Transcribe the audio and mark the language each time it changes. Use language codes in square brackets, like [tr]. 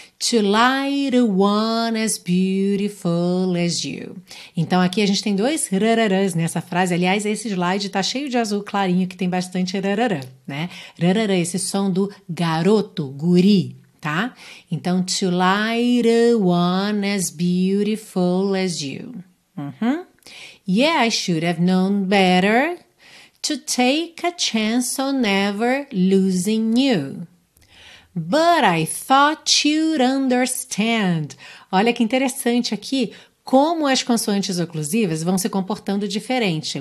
[en] To light a one as beautiful as you. [pt] Então, aqui a gente tem dois rararãs nessa frase. Aliás, esse slide tá cheio de azul clarinho, que tem bastante rararã, né? Rararã, esse som do garoto, guri, tá? [en] Então, to light a one as beautiful as you. Uhum. Yeah, I should have known better. To take a chance on never losing you. But I thought you'd understand. [pt] Olha que interessante aqui como as consoantes oclusivas vão se comportando diferente.